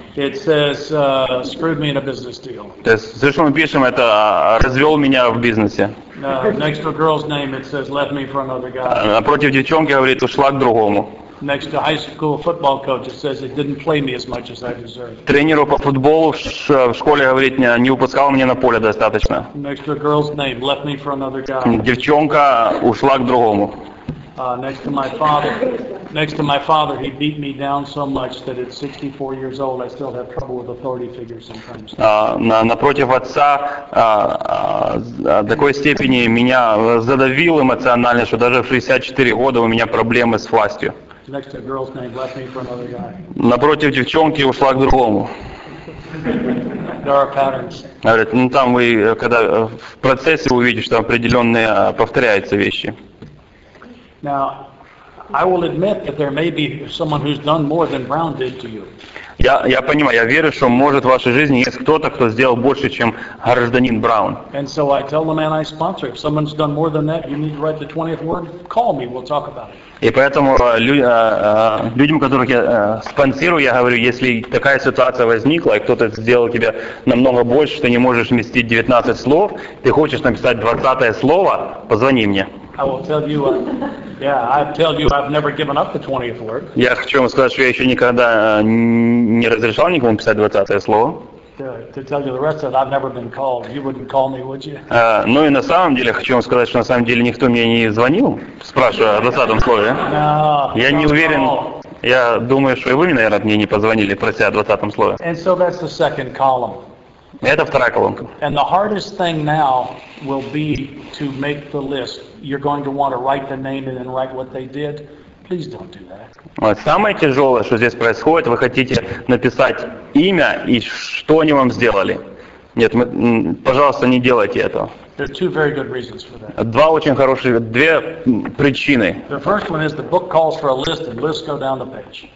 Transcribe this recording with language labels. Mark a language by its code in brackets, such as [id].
[en] It says, screwed me in a business deal. [ru] То есть, все, что мы пишем, это развел меня в бизнесе. [en] Next to a girl's name, it says, left me for another guy. [ru] Напротив девчонки, говорит, ушла к другому. [en] Next to high school football coach, it says, it didn't play me as much as I deserved. [ru] Тренеру по футболу в школе, говорит, не выпускал меня на поле достаточно. [en] Next to a girl's name, left me for another guy. [ru] Девчонка ушла к другому. [en] Next to my father, he beat me down so much that at 64 years old, I still have trouble with authority figures sometimes. [ru] Напротив отца такой степени меня задавил эмоционально, что даже в 64 года у меня проблемы с властью. [en] Next to a girl's name, left me for another guy. [ru] Напротив девчонки ушла к другому. [en] There are patterns. [ru] Говорит, там вы когда в процессе увидите, что определенные повторяются вещи. [en] Now, I will admit that there may be someone who's done more than Brown did to you. [ru] Я понимаю, я верю, что может в вашей жизни есть кто-то, кто сделал больше, чем гражданин Браун. [en] And so I tell the man I sponsor, if someone's done more than that, you need to write the 20th word. Call me, we'll talk about it. [ru] И поэтому людям, которых я спонсирую, я говорю, если такая ситуация возникла, и кто-то сделал тебе намного больше, что не можешь вместить 19 слов, ты хочешь написать 20-е слово, позвони мне. [en] I tell you, I've never given up the 20th word. [ru] Я хочу вам сказать, что я еще никогда не разрешал никому писать 20-е слово. [en] To tell you the rest of it, I've never been called. You wouldn't call me, would you? [ru] Ну и на самом деле, хочу вам сказать, что на самом деле никто мне не звонил, спрашивая о 20-м слове. [en] No, [ru] я не уверен. Я думаю, что и вы, наверное, мне не позвонили, прося о 20-м слове. [en] And so that's the second column. [ru] Это вторая колонка. [en] And the hardest thing now will be to make the list. You're going to want to write the name and then write what they did. Please don't do that. [ru] Вот самое тяжелое, что здесь происходит, вы хотите написать имя и что они вам сделали. Нет, пожалуйста, не делайте этого. [en] There are two very good reasons for that. [ru] Два очень хорошие, две причины. [en] The first one is the book calls for a list and lists go down the page.